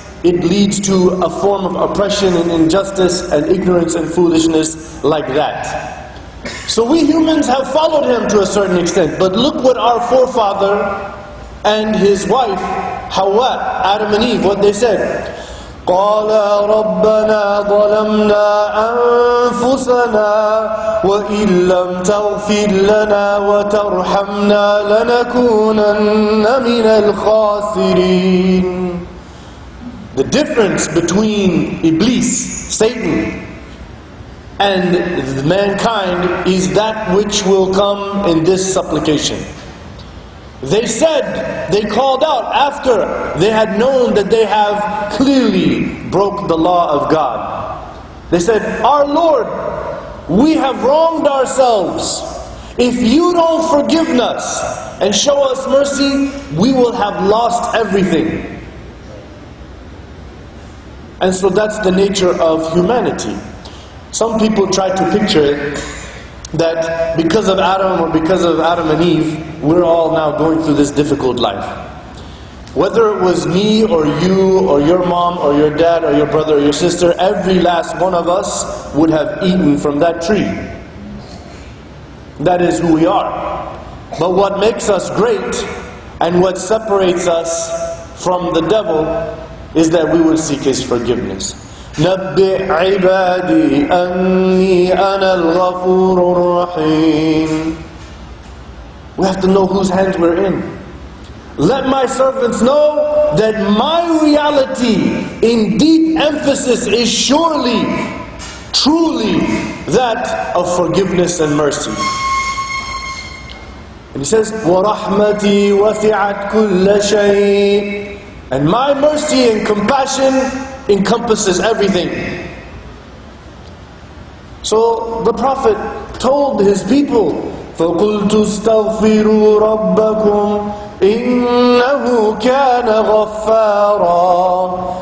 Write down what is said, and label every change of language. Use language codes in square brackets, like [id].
[en] It leads to a form of oppression and injustice and ignorance and foolishness like that. So we humans have followed him to a certain extent, but look what our forefather and his wife, Hawa, Adam and Eve, what they said. [ar] قَالَ رَبَّنَا ظَلَمْنَا أَنفُسَنَا وَإِن لَمْ تَغْفِرْ لَنَا وَتَرْحَمْنَا لَنَكُونَنَّ مِنَ الْخَاسِرِينَ. [en] The difference between Iblis, Satan, And mankind is that which will come in this supplication. They said, they called out after they had known that they have clearly broke the law of God. They said, "Our Lord, we have wronged ourselves. If you don't forgive us and show us mercy, we will have lost everything." And so that's the nature of humanity. Some people try to picture it that because of Adam or because of Adam and Eve, we're all now going through this difficult life. Whether it was me or you or your mom or your dad or your brother or your sister, every last one of us would have eaten from that tree. That is who we are. But what makes us great and what separates us from the devil is that we will seek his forgiveness. [ar] نبئ عبادي أني أنا الغفور الرحيم. [en] We have to know whose hands we're in. Let my servants know that my reality in deep emphasis is surely, truly that of forgiveness and mercy. And he says, [ar] ورحمتي وسعت كل شيء. [en] And my mercy and compassion encompasses everything. So the Prophet told his people, [ar] فَقُلْتُ اسْتَغْفِرُوا رَبَّكُمْ إِنَّهُ كَانَ غَفَّارًا.